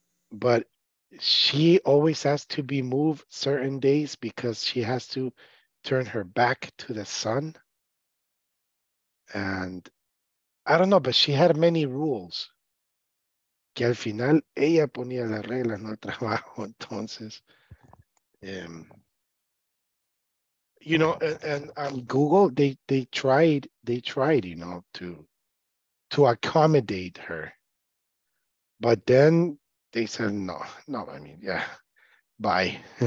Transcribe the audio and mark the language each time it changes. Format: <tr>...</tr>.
<en>But she always has to be moved certain days because she has to turn her back to the sun. And I don't know, but she had many rules.</en> <es>Que al final ella ponía las reglas, no el trabajo, entonces.</es> <en>You know, and Google, they tried, you know, to accommodate her. But then they said, no, I mean, yeah, bye.</en>